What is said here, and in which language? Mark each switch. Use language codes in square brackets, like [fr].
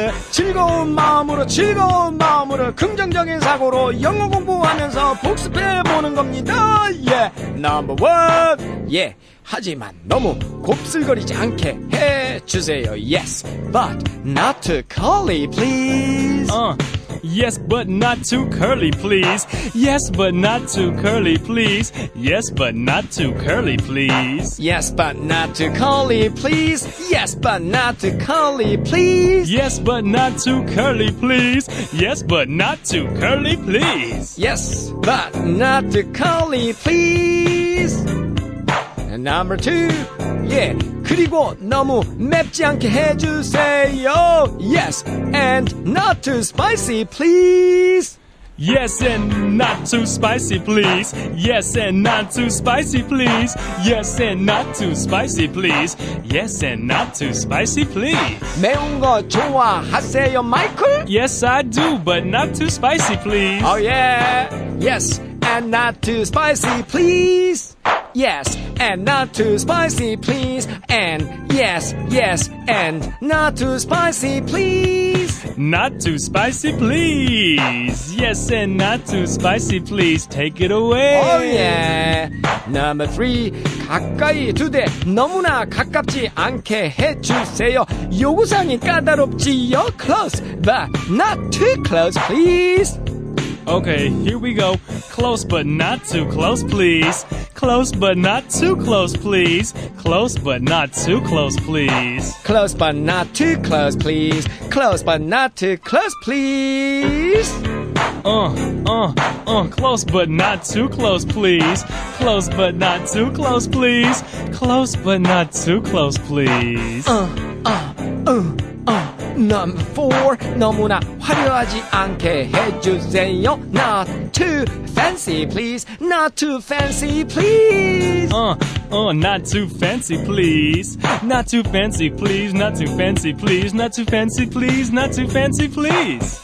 [ko] 즐거운 마음으로 긍정적인 사고로 영어 공부하면서 복습해보는 겁니다. 넘버원 하지만 너무 곱슬거리지 않게 해주세요. [en] Yes, but not too curly, please. Yes, but not too curly, please. Yes, but not too curly, please. Yes, but not too curly, please. Yes, but not too curly, please. Yes, but not too curly, please. Yes, but not too curly, please. Yes, but not too curly, please. Yes, but not too curly, please. And number two. [ko] 그리고 너무 맵지 않게 해주세요. [en] Yes, and not too spicy, please. Yes, and not too spicy, please. Yes, and not too spicy, please. Yes, and not too spicy, please. Yes, and not too spicy, please. [ko] 매운 거 좋아하세요, 마이클? [en] Yes, I do, but not too spicy, please. Oh, yeah. Yes, and not too spicy, please. Yes, and not too spicy, please. And yes, yes, and not too spicy, please. Not too spicy, please. Yes, and not too spicy, please. Take it away. Oh, yeah. Number three. [ko] 가까이 두대 너무나 가깝지 않게 해주세요. 요구사항이 까다롭지요. [en] Close, but not too close, please. Okay, here we go. Close but not too close, please. Close but not too close, please. Close but not too close, please. Close but not too close, please. Close but not too close, please. Close but not too close, please. Close but not too close, please. Close but not too close, please. Number four, [ko] 너무나 화려하지 않게 해주세요. [en] Not too fancy, please. Not too fancy, please. Not too fancy, please. Not too fancy, please. Not too fancy, please. Not too fancy, please. Not too fancy, please.